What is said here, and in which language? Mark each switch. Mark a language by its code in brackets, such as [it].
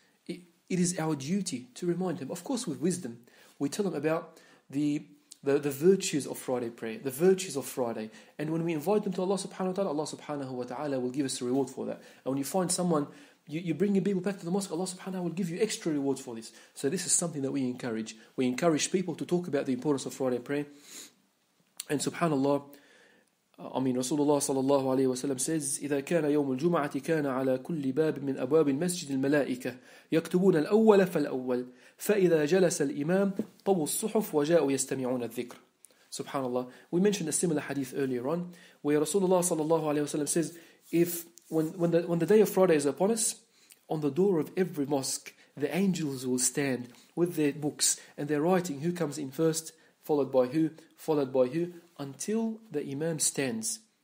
[en] It is our duty to remind him. Of course, with wisdom, we tell him about the virtues of Friday prayer, the virtues of Friday. And when we invite them to Allah subhanahu wa ta'ala, Allah subhanahu wa ta'ala will give us a reward for that. And when you find someone, you bring your people back to the mosque, Allah subhanahu wa ta'ala will give you extra reward for this. So this is something that we encourage. We encourage people to talk about the importance of Friday prayer. And subhanallah, I mean, Rasulullah sallallahu alayhi wa sallam says, [ar] إِذَا كَانَ يَوْمُ الْجُمَعَةِ كَانَ عَلَى كُلِّ بَابٍ مِّنْ أَبْوَابِ الْمَسْجِدِ الْمَلَائِكَةِ يَكْتُبُونَ الْأَوَّلَ فَالْأَوَّلِ فَإِذَا جَلَسَ الْإِمَامِ طَوُوا الصُّحُفْ وَجَاءُوا يَسْتَمِعُونَ الذِّكْرِ. [en] Subhanallah. We mentioned a similar hadith earlier on, where Rasulullah sallallahu alayhi wa sallam says, when the day of Friday is upon us, on the door of every mosque, the angels will stand with their books and they're writing who comes in first, followed by who, until the imam stands.